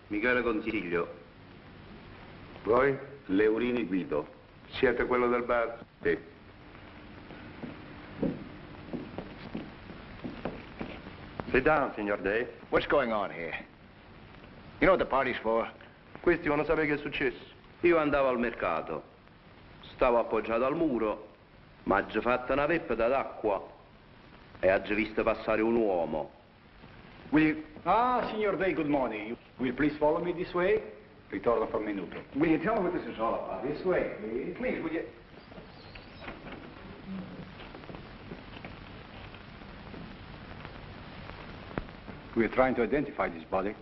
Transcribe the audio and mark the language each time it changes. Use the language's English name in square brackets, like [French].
[Italian] Michele Consiglio. Voi? Leurini Guido. Siete quello del bar? Sì. [English] Sit down, signor Day. What's going on here? You know what the party's for? [Italian] Questi vogliono sapere che è successo. Io andavo al mercato. Stavo appoggiato al muro. Ma ho fatto una veppa d'acqua. E ho visto passare un uomo. [English] Will you... Ah, signor Day, good morning. Will you please follow me this way? [Italian] Ritorno fra un minuto. [English] Will you tell me what this is all about? This way, please. Please, will you... We are trying to identify this body.